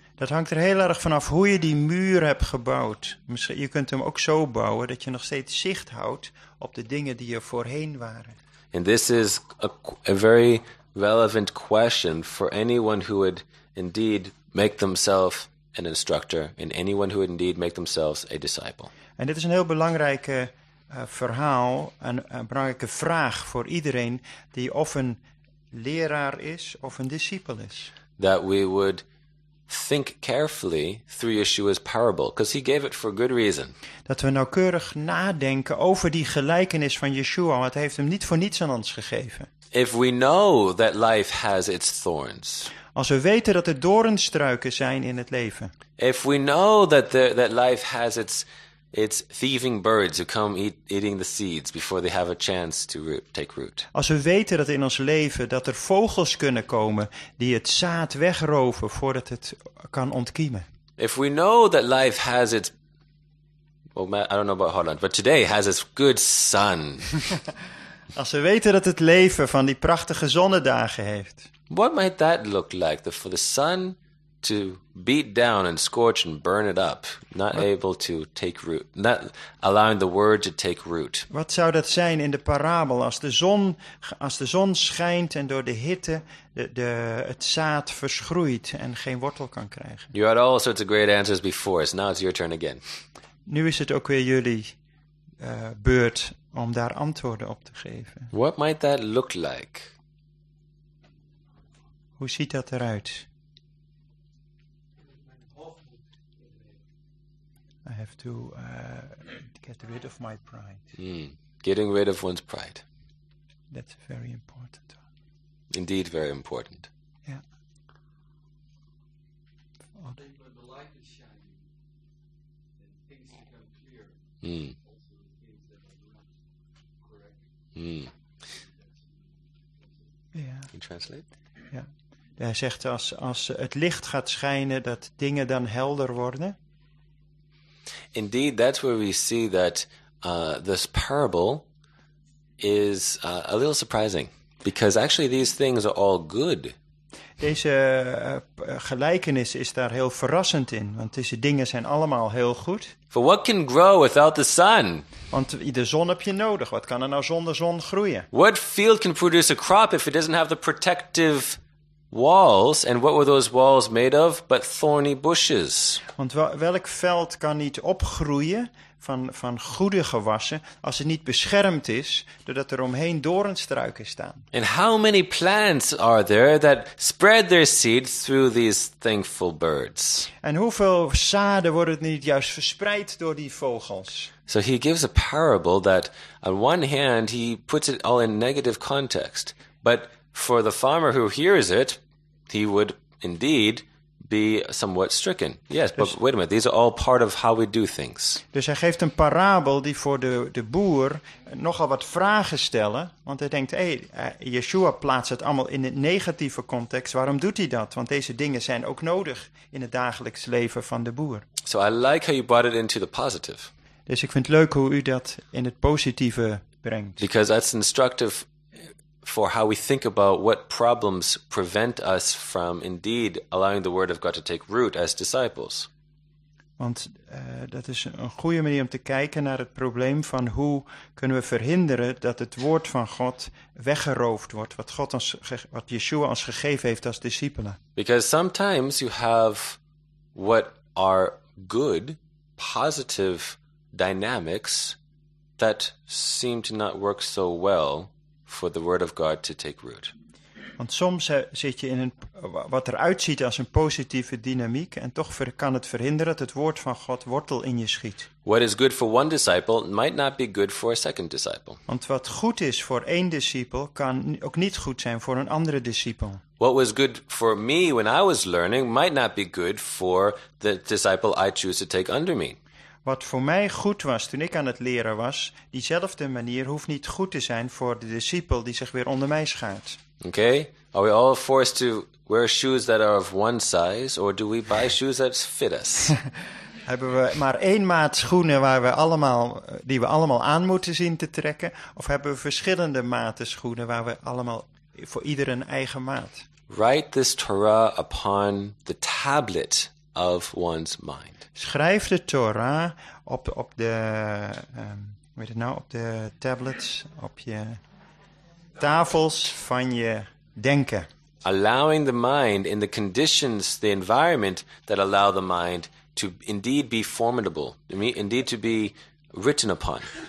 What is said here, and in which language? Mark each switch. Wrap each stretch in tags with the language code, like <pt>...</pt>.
<nl>Dat hangt er heel erg vanaf hoe je die muur hebt gebouwd. Misschien, je kunt hem ook zo bouwen dat je nog steeds zicht houdt op de dingen die er voorheen waren.</nl> <en>And this is a very relevant question for anyone who would indeed make themselves an instructor and anyone who would indeed make themselves a disciple.</en> <nl>En dit is een heel belangrijke verhaal, een belangrijke vraag voor iedereen die of een leraar is of een discipel is.</nl> <en>That we would think carefully through Yeshua's parable, because he gave it for good reason.</en> <nl>Dat we nauwkeurig nadenken over die gelijkenis van Yeshua, want hij heeft hem niet voor niets aan ons gegeven.</nl> <en>If we know that life has its thorns.</en> <nl>Als we weten dat er doornstruiken zijn in het leven.</nl> <en>If we know that that life has its thieving birds who come eating the seeds before they have a chance to take root.</en> <nl>Als we weten dat in ons leven dat er vogels kunnen komen die het zaad wegroven voordat het kan ontkiemen.</nl> <en>If we know that life has its I don't know about Holland, but today has its good sun.</en> <nl>Als we weten dat het leven van die prachtige zonnedagen heeft.</nl> <en>What might that look like for the sun to beat down and scorch and burn it up, not able to take root, not allowing the word to take root.</en> <nl>Wat zou dat zijn in de parabel als de zon schijnt en door de hitte het zaad verschroeit en geen wortel kan krijgen?</nl> <en>You had all sorts of great answers before, so now it's your turn again.</en> <nl>Nu is het ook weer jullie beurt om daar antwoorden op te geven.</nl> <en>What might that look like?</en> <nl>Hoe ziet dat eruit?</nl> <en>I have to get rid of my pride. Getting rid of one's pride. That's very important. Indeed, very important. Yeah. When the light is shining, then things become clear. Yeah. Can you translate? Yeah.</en> <nl>Hij zegt als het licht gaat schijnen, dat dingen dan helder worden.</nl> <en>Indeed, that's where we see that this parable is a little surprising, because actually these things are all good.</en> <nl>Deze gelijkenis is daar heel verrassend in, want deze dingen zijn allemaal heel goed.</nl> <en>For what can grow without the sun?</en> <nl>Want de zon heb je nodig. Wat kan er nou zonder zon groeien?</nl> <en>What field can produce a crop if it doesn't have the protective walls, and what were those walls made of but thorny bushes?</en> <nl>Want welk veld kan niet opgroeien van goede gewassen als het niet beschermd is doordat er omheen doornstruiken staan?</nl> <en>And how many plants are there that spread their seeds through these thankful birds?</en> <nl>En hoeveel zaden worden het niet juist verspreid door die vogels?</nl> <en>So he gives a parable that on one hand he puts it all in negative context, but for the farmer who hears it, he would indeed be somewhat stricken. Yes, dus, but wait a minute. These are all part of how we do things.</en> <nl>Dus hij geeft een parabel die voor de boer nogal wat vragen stellen. Want hij denkt, Yeshua plaatst het allemaal in het negatieve context. Waarom doet hij dat? Want deze dingen zijn ook nodig in het dagelijks leven van de boer.</nl> <en>So I like how you brought it into the positive.</en> <nl>Dus ik vind het leuk hoe u dat in het positieve brengt.</nl> <en>Because that's instructive for how we think about what problems prevent us from indeed allowing the word of God to take root as disciples.</en> <nl>Want dat is een goede manier om te kijken naar het probleem van hoe kunnen we verhinderen dat het woord van God weggeroofd wordt, wat Yeshua ons gegeven heeft als discipelen.</nl> <en>Because sometimes you have what are good, positive dynamics that seem to not work so well for the word of God to take root.</en> <nl>Want soms zit je in een wat eruit ziet als een positieve dynamiek en toch kan het verhinderen dat het woord van God wortel in je schiet.</nl> <en>What is good for one disciple might not be good for a second disciple.</en> <nl>Want wat goed is voor één discipel kan ook niet goed zijn voor een andere discipel.</nl> <en>What was good for me when I was learning might not be good for the disciple I choose to take under me.</en> <nl>Wat voor mij goed was toen ik aan het leren was, diezelfde manier hoeft niet goed te zijn voor de discipel die zich weer onder mij schaart.</nl> <en>Okay, are we all forced to wear shoes that are of one size, or do we buy shoes that fit us?</en> <nl>Hebben we maar één maat schoenen die we allemaal aan moeten zien te trekken, of hebben we verschillende maten schoenen waar we allemaal voor ieder een eigen maat?</nl> <en>Write this Torah upon the tablet of one's mind.</en> <nl>Schrijf de Torah op de, hoe heet het nou, op de tablets, op je tafels van je denken.</nl> <en>Allowing the mind in the conditions, the environment that allow the mind to indeed be formidable, indeed to be written upon.</en>